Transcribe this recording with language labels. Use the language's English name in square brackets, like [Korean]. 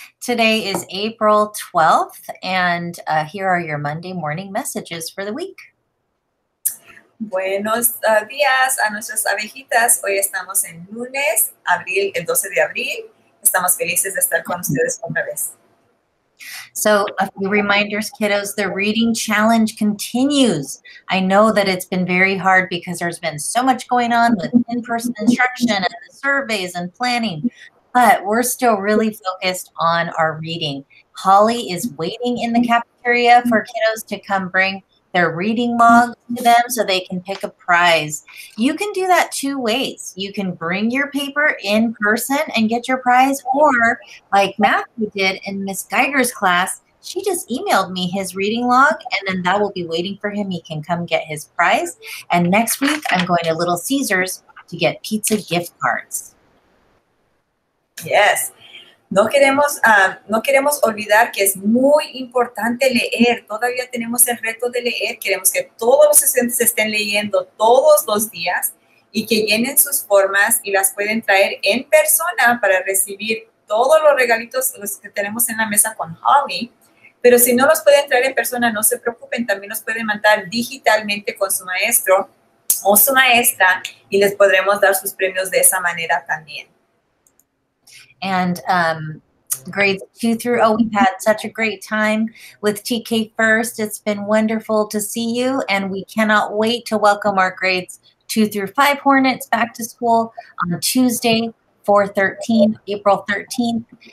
[English] Today is April 12th, and here are your Monday morning messages for the week. [Spanish] Buenos días a nuestras abejitas. Hoy estamos en lunes, abril, el 12 de abril. Estamos felices de estar con ustedes otra vez. [English] So a few reminders, kiddos, the reading challenge continues. I know that it's been very hard because there's been so much going on with in-person instruction and the surveys and planning, but we're still really focused on our reading. Holly is waiting in the cafeteria for kiddos to come bring their reading log to them so they can pick a prize. You can do that two ways. You can bring your paper in person and get your prize, or like Matthew did in Miss Geiger's class, she just emailed me his reading log and then that will be waiting for him. He can come get his prize. And next week I'm going to Little Caesars to get pizza gift cards. Yes. [Spanish] No queremos olvidar que es muy importante leer. Todavía tenemos el reto de leer. Queremos que todos los estudiantes estén leyendo todos los días y que llenen sus formas y las pueden traer en persona para recibir todos los regalitos los que tenemos en la mesa con Holly. Pero si no los pueden traer en persona, no se preocupen. También los pueden mandar digitalmente con su maestro o su maestra y les podremos dar sus premios de esa manera también. [English] And grades 2 through, oh, we've had such a great time with TK First. It's been wonderful to see you, and we cannot wait to welcome our grades 2 through 5 Hornets back to school on Tuesday, 4/13, April 13th.